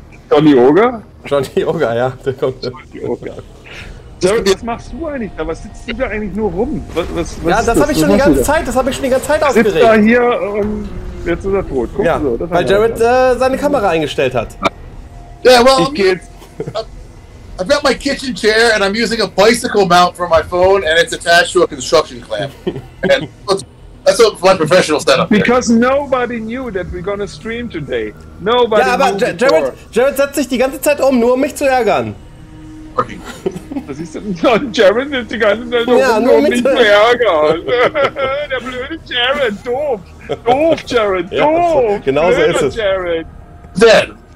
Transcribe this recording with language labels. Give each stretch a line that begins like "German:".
German: Johnny Oger? Johnny Oger, ja. Der kommt. Jared, was machst du eigentlich da? Was sitzt du da eigentlich nur rum? Was ja, das habe ich schon die ganze Zeit, das habe ich schon die ganze Zeit aufgeregt. Sitzt da hier und jetzt ist er tot. Guck ja, so, das weil Jared seine Kamera eingestellt hat.
English: Yeah, well, I've got my kitchen chair and I'm using a bicycle mount for my phone and it's attached to a construction clamp. And that's my professional setup. Because nobody knew that we're gonna stream today. Nobody
German: knew. Ja, aber Jared setzt sich die ganze Zeit um, nur um mich zu ärgern. Was ist denn? Jared nimmt die ganze Zeit um, nur um mich zu ärgern. Der blöde Jared, doof. Doof, Jared, doof. Ja, genau so ist es.
English: Dead.